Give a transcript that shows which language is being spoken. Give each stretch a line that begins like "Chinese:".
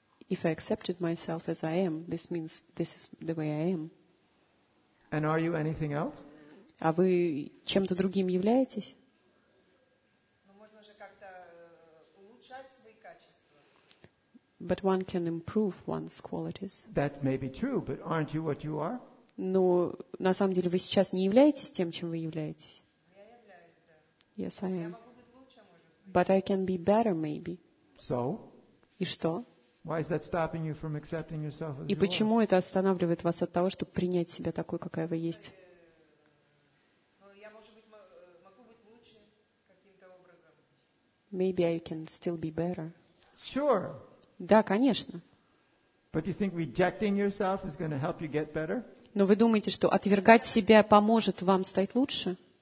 English: If I accepted myself as I am, this means this is the way I am. And are you anything else?
Russian: А вы чем-то другим являетесь? Но можно же как-то улучшать свои качества.
English: But one can improve one's qualities. That may be true, but aren't you what you are?
Russian: Но на самом деле вы сейчас не являетесь тем, чем вы являетесь. Я являюсь, да.
English: Yes, I am.
Russian: Я могу быть лучше, может быть.
English: But I can be better, maybe. So?
Russian: И что?
English: Why is that stopping you from accepting yourself as you are?
Russian: И почему это останавливает вас от того, чтобы принять себя такой, какая вы есть? Ну, я, может быть, могу быть лучше каким-то образом.
English: Maybe I can still be better. Sure.
Russian: Да, конечно.
English: But you think rejecting yourself is going to help you get better?
Russian: Но вы думаете, что отвергать себя поможет вам стать лучше?